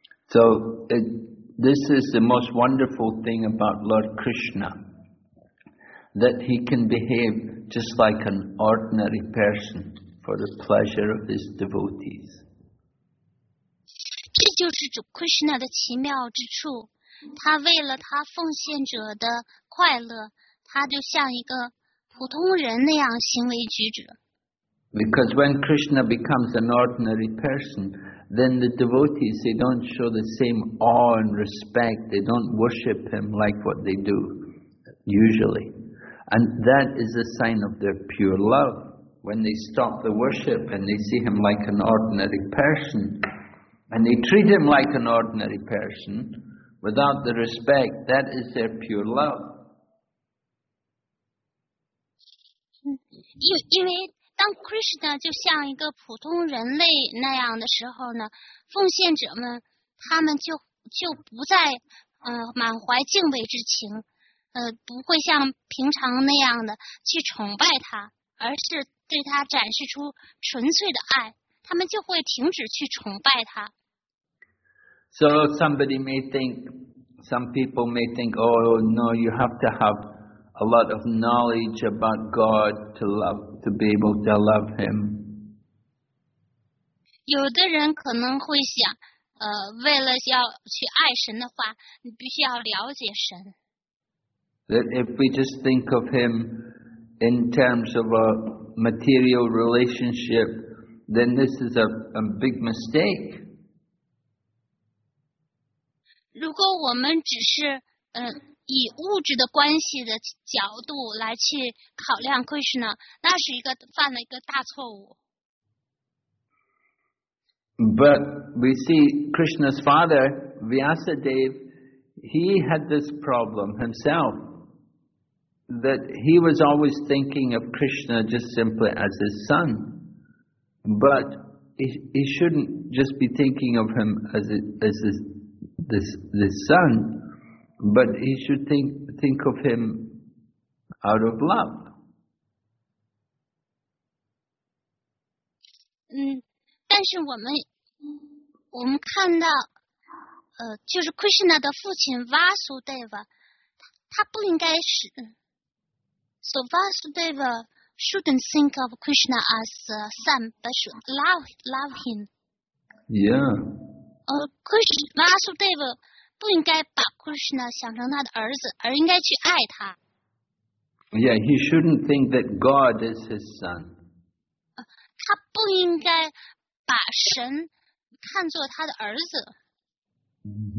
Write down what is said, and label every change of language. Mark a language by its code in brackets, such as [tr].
[en] So, this is the most wonderful thing about Lord Krishna, that he can behave just like an ordinary person for the pleasure of his devotees. [zh] 这就是主 Krishna 的奇妙之处，他为了他奉献者的快乐，他就像一个普通人那样行为举止。 [en] Because when Krishna becomes an ordinary person, then the devotees, they don't show the same awe and respect, they don't worship him like what they do, usually. And that is a sign of their pure love. When they stop the worship and they see him like an ordinary person, and they treat him like an ordinary person, without the respect, that is their pure love. [zh] 当 Krishna 就像一个普通人类那样的时候呢，奉献者们他们就不再满怀敬畏之情，不会像平常那样的去崇拜他，而是对他展示出纯粹的爱，他们就会停止去崇拜他。 [en] So somebody may think, some people may think, oh no, you have to have a lot of knowledge about God to love. To be able to love him. [zh] 有的人可能会想，为了要去爱神的话，你必须要了解神。 [en] That if we just think of him in terms of a material relationship, then this is a big mistake. [zh] 如果我们只是以物质的关系的角度来去考量 Krishna， 那是一个犯了一个大错误。 [en] But we see Krishna's father Vyasadeva, he had this problem himself, that he was always thinking of Krishna just simply as his son, but he shouldn't just be thinking of him as his son. But he should think of him out of love. [zh] 但是我们看到，就是 Krishna 的父亲 Vasudeva， 他不应该是。 [en] So Vasudeva shouldn't think of Krishna as a son, but should love him. Yeah. [zh] Vasudeva. 不应该把 Krishna 想成他的儿子，而应该去爱他。 [en] Yeah, he shouldn't think that God is his son. [zh] 他不应该把神看作他的儿子。